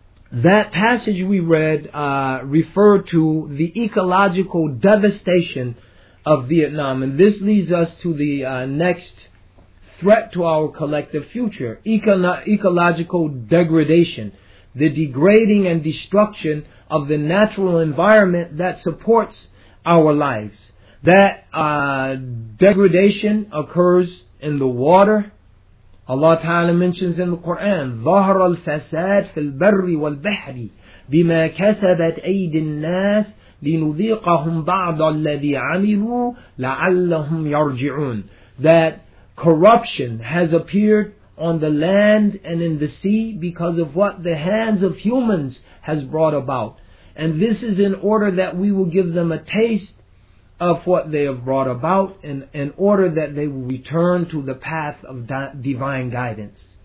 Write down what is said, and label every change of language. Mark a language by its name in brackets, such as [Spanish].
[English] That passage we read referred to the ecological devastation of Vietnam, and this leads us to the next threat to our collective future, ecological degradation, the degrading and destruction of the natural environment that supports our lives. That degradation occurs in the water. Allah Ta'ala mentions in the Quran, [Arabic] ظهر الفساد في البر والبحر بما كسبت أيدي الناس لنذيقهم بعض الذي عملوا لعلهم يرجعون. [English] That corruption has appeared on the land and in the sea because of what the hands of humans has brought about. And this is in order that we will give them a taste of what they have brought about and in order that they will return to the path of divine guidance.